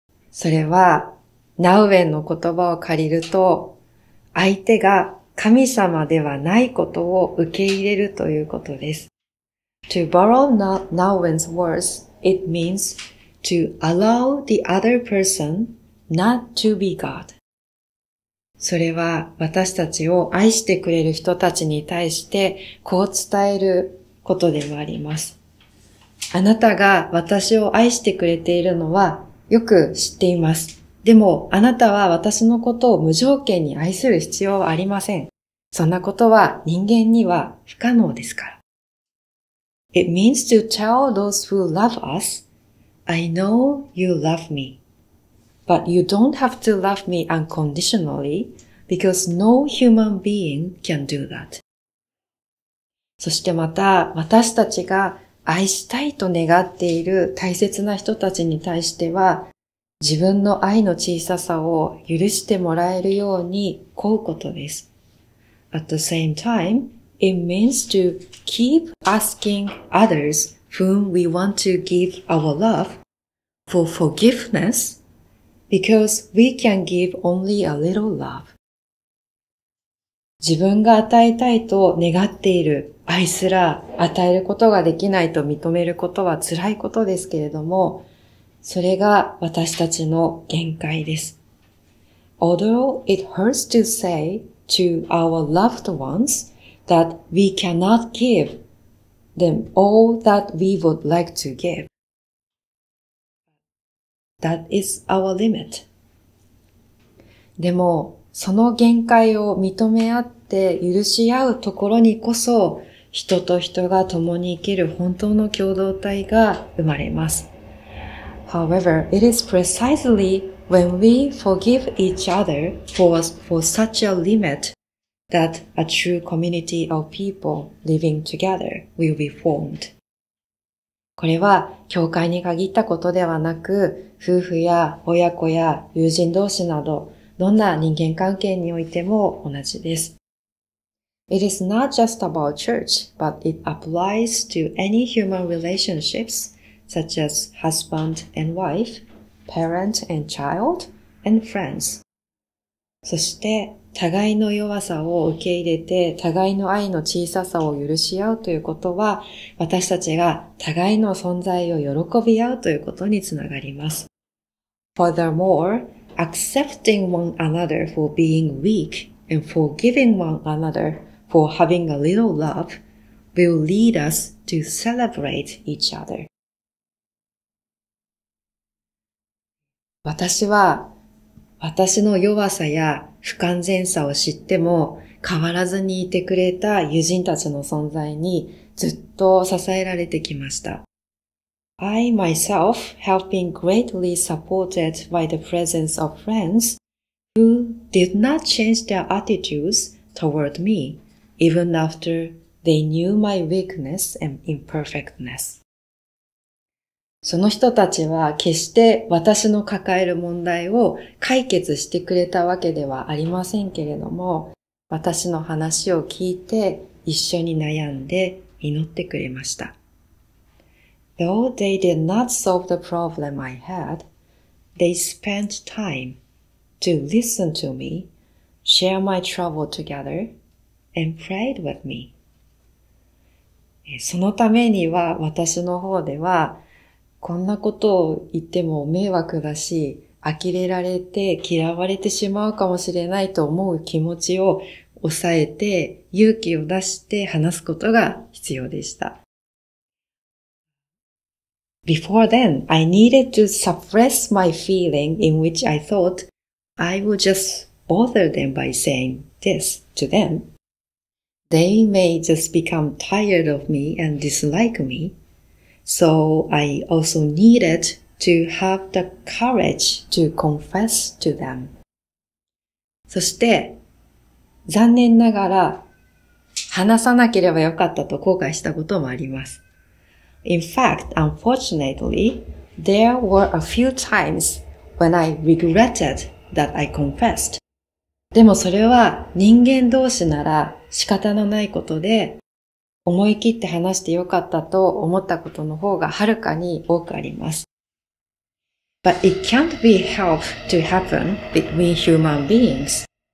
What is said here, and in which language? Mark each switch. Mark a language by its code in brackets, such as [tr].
[ja] それは、ナウエンの言葉を借りると、相手が神様ではないことを受け入れるということです。 [en] To borrow Nouwen's words, it means to allow the other person not to be God. [ja] それは私たちを愛してくれる人たちに対してこう伝えることでもあります。あなたが私を愛してくれているのはよく知っています。でもあなたは私のことを無条件に愛する必要はありません。そんなことは人間には不可能ですから。 [en] It means to tell those who love us, I know you love me. But you don't have to love me unconditionally, because no human being can do that. [ja] そしてまた、私たちが愛したいと願っている大切な人たちに対しては、自分の愛の小ささを許してもらえるように請うことです。 [en] At the same time,It means to keep asking others whom we want to give our love for forgiveness because we can give only a little love. [ja] 自分が与えたいと願っている愛すら与えることができないと認めることは辛いことですけれども、それが私たちの限界です。 [en] Although it hurts to say to our loved ones,That we cannot give them all that we would like to give. That is our limit. [ja] でも、その限界を認め合って許し合うところにこそ、人と人が共に生きる本当の共同体が生まれます。 [en] However, it is precisely when we forgive each other for such a limit,That a true community of people living together will be formed. [ja] これは教会に限ったことではなく、夫婦や親子や友人同士など、どんな人間関係においても同じです。 [en] It is not just about church, but it applies to any human relationships, such as husband and wife, parent and child, and friends. [ja] そして、互いの弱さを受け入れて、互いの愛の小ささを許し合うということは、私たちが互いの存在を喜び合うということにつながります。 [en] Furthermore, accepting one another for being weak and forgiving one another for having a little love will lead us to celebrate each other. [ja] 私は、私の弱さや不完全さを知っても変わらずにいてくれた友人たちの存在にずっと支えられてきました。 [en] I myself have been greatly supported by the presence of friends who did not change their attitudes toward me even after they knew my weakness and imperfectness. [ja] その人たちは決して私の抱える問題を解決してくれたわけではありませんけれども、私の話を聞いて一緒に悩んで祈ってくれました。 [en] Though they did not solve the problem I had, they spent time to listen to me, share my trouble together, and prayed with me. [ja] そのためには私の方では、こんなことを言っても迷惑だし、呆れられて嫌われてしまうかもしれないと思う気持ちを抑えて勇気を出して話すことが必要でした。 [en] Before then, I needed to suppress my feeling in which I thought I would just bother them by saying this to them. They may just become tired of me and dislike me. So I also needed to have the courage to confess to them. [ja] そして、残念ながら、話さなければよかったと後悔したこともあります。 [en] In fact, unfortunately, there were a few times when I regretted that I confessed. [ja] でもそれは人間同士なら仕方のないことで、思い切って話してよかったと思ったことの方がはるかに多くあります。 [en] But it can't be helped to happen between human beings.